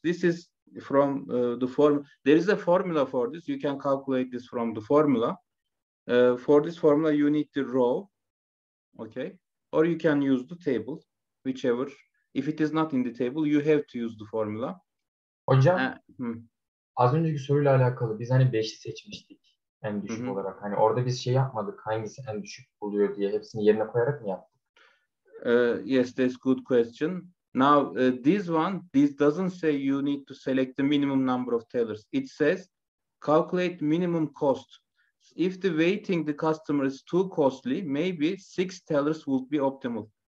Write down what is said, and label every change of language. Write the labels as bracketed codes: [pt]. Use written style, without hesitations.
[en] This is from the form. There is a formula for this. You can calculate this from the formula. For this formula, you need the row. Okay, or you can use the table, whichever. If it is not in the table, you have to use the formula. [tr] Hocam, az önceki soruyla alakalı biz hani 5'i seçmiştik en düşük olarak. Hani orada biz şey yapmadık, hangisi en düşük buluyor diye hepsini yerine koyarak mı yaptık? [en] Yes, that's good question. Now, this doesn't say you need to select the minimum number of tellers. It says calculate minimum cost. If the waiting the customer is too costly, maybe 6 tellers would be optimal.